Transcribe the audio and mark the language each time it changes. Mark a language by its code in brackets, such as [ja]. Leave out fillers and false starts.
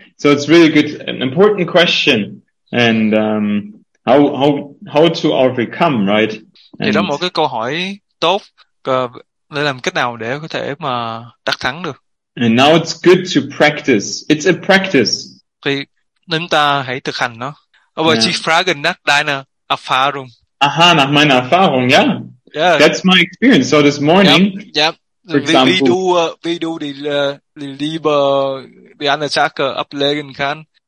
[en] So it's really good, an important question, and how to overcome, right? [vi] Thì đó một cái câu hỏi tốt, để làm cách nào để có thể mà đắc thắng được. [en] And now it's good to practice. It's a practice. [vi] Thì chúng ta hãy thực hành nó. [de] Aber yeah. Sie fragen nach deiner Erfahrung. Aha, nach meiner Erfahrung, yeah. [en] Yeah. That's my experience. So this morning, yeah. Yeah. [de] Wie du die Liebe, die eine Sache ablegen kann.